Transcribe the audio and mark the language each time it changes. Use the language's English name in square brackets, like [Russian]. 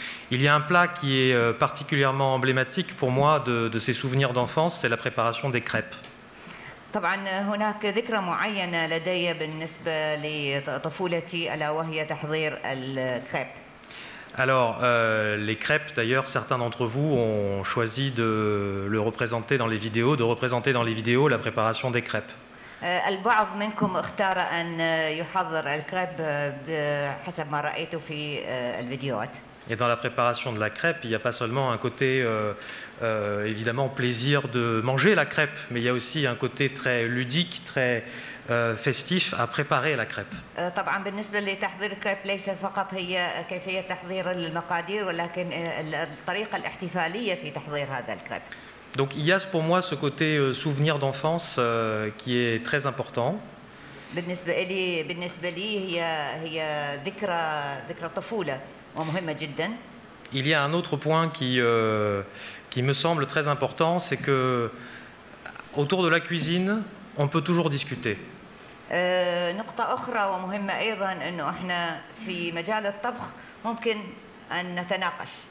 [French] Il y a un plat qui est particulièrement emblématique pour moi de ces souvenirs d'enfance, c'est la préparation des crêpes. [Arabic] طبعا هناك ذكرى معينة لدي بالنسبة لطفولتي ألا وهي تحضير الكريب. [French] Alors les crêpes d'ailleurs certains d'entre vous ont choisi de représenter dans les vidéos la préparation des crêpes. [Arabic] البعض منكم اختار أن يحضر الكريب حسب ما رأيته في الفيديوهات. [French] Et dans la préparation de la crêpe, il n'y a pas seulement un côté, évidemment, plaisir de manger la crêpe, mais il y a aussi un côté très ludique, très festif à préparer la crêpe. [Arabic] طبعاً بالنسبة لتحضير الكريب ليس فقط هي كيفية تحضير المقادير ولكن الطريقة الاحتفالية في تحضير هذا الكريب. [French] Donc il y a pour moi ce côté souvenir d'enfance qui est très important. [Arabic] بالنسبة لي بالنسبة لي هي هي ذكرى ذكرى طفولة ومهمة جدا. [French] Il y a un autre point qui me semble très important, c'est que autour de la cuisine, on peut toujours discuter. [Arabic] نقطة أخرى ومهمة أيضا إنه إحنا في مجال الطبخ ممكن أن نتناقش.